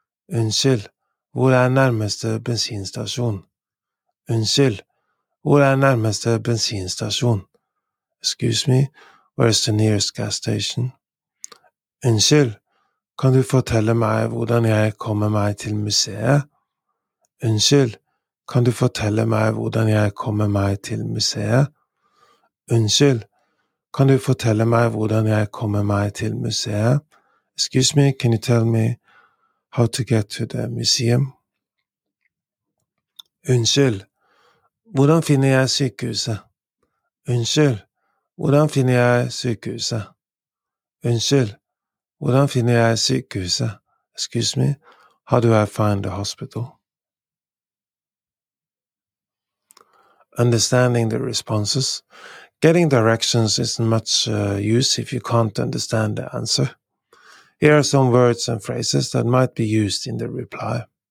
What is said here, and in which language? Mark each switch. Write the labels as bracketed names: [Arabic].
[Norwegian] Unnskyld, hvor nærmeste bensinstasjon? Unnskyld, hvor nærmeste bensinstasjon? [English] Excuse me, where is the nearest gas station? [Norwegian] Unnskyld, kan du fortelle meg hvordan jeg kommer meg til museet? Unnskyld, kan du fortelle meg hvordan jeg kommer meg til museet? Unnskyld, kan du fortelle meg hvordan jeg kommer meg til museet? [English] Excuse me, can you tell me how to get to the museum? [Norwegian] Unnskyld, hvordan finner jeg sykehuset? Unnskyld, hvordan finner jeg sykehuset? Unnskyld, hvordan finner jeg sykehuset? [English] Excuse me, how do I find the hospital? Understanding the responses. Getting directions isn't much use if you can't understand the answer. Here are some words and phrases that might be used in the reply.